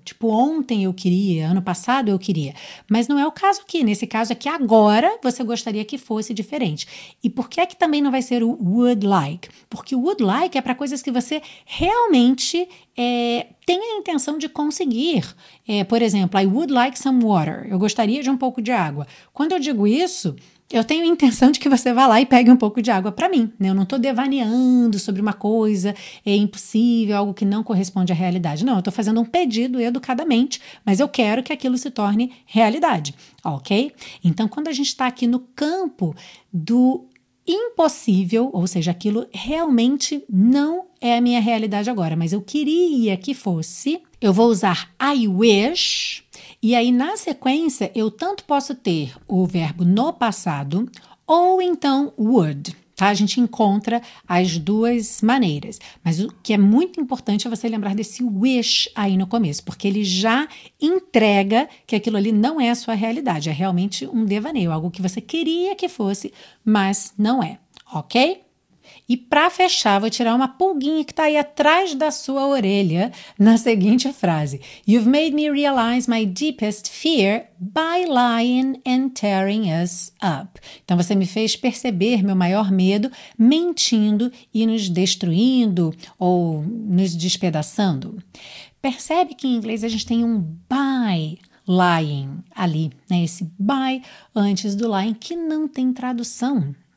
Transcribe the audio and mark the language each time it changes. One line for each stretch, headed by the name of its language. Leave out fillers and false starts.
Portuguese: Tipo, ontem eu queria, ano passado eu queria. Mas não é o caso aqui. Nesse caso é que agora você gostaria que fosse diferente. E por que é que também não vai ser o would like? Porque o would like é para coisas que você realmente tem a intenção de conseguir. Por exemplo,
English: I would like some water.
Portuguese: Eu gostaria de um pouco de água. Quando eu digo isso, eu tenho a intenção de que você vá lá e pegue um pouco de água para mim, né? Eu não estou devaneando sobre uma coisa impossível, algo que não corresponde à realidade. Não, eu estou fazendo um pedido educadamente, mas eu quero que aquilo se torne realidade, ok? Então, quando a gente está aqui no campo do impossível, ou seja, aquilo realmente não é a minha realidade agora, mas eu queria que fosse, eu vou usar I wish. E aí, na sequência, eu tanto posso ter o verbo no passado ou então would, tá? A gente encontra as duas maneiras. Mas o que é muito importante é você lembrar desse wish aí no começo, porque ele já entrega que aquilo ali não é a sua realidade, é realmente um devaneio, algo que você queria que fosse, mas não é, ok? E para fechar, vou tirar uma pulguinha que está aí atrás da sua orelha na seguinte frase.
English: You've made me realize my deepest fear by lying and tearing us up.
Portuguese: Então você me fez perceber meu maior medo mentindo e nos destruindo ou nos despedaçando. Percebe que em inglês a gente tem um
English: by lying
Portuguese: ali, né? Esse by antes do lying que não tem tradução.